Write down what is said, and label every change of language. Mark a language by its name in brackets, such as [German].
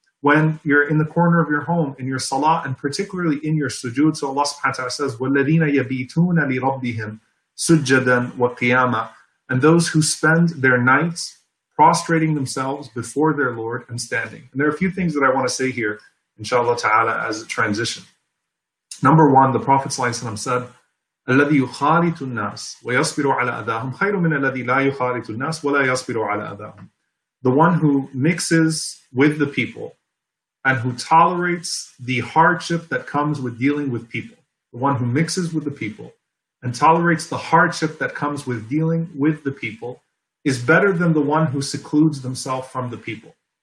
[English] When you're in the corner of your home, in your salah, and particularly in your sujood, so Allah subhanahu wa ta'ala says, [Arabic] وَالَّذِينَ يَبِيتُونَ لِرَبِّهِمْ سُجَّدًا وَقِيَامًا. [English] And those who spend their nights prostrating themselves before their Lord and standing. And there are a few things that I want to say here, inshallah ta'ala, as a transition. Number one, the Prophet said, [Arabic] الَّذِي يُخَالِطُ النَّاسِ وَيَصْبِرُ عَلَى أَذَاهُمْ خَيْرٌ مِنَ الَّذِي لَا يُخَالِطُ النَّاسِ وَلَا يَصْبِرُ عَلَى أَذَاهُمْ. [English] The one who mixes with the people and who tolerates the hardship that comes with dealing with people. The one who mixes with the people and tolerates the hardship that comes with dealing with the people is better than the one who secludes themselves from the people.